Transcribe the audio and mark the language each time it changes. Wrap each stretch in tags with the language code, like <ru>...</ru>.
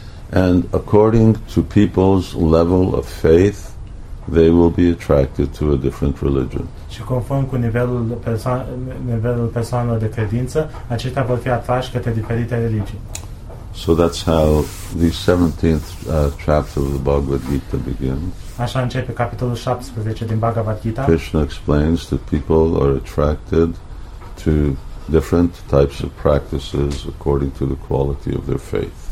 <en>And according to people's level of faith, they will be attracted to a different religion.</en> <ro>Și conform cu nivelul persoanelor de credință, acestea vor fi atrași către diferite religii.</ro> <en>So that's how the 17th chapter of the Bhagavad Gita begins.</en> <ro>Așa începe capitolul 17 din Bhagavad Gita.</ro> <en>Krishna explains that people are attracted to different types of practices according to the quality of their faith.</en>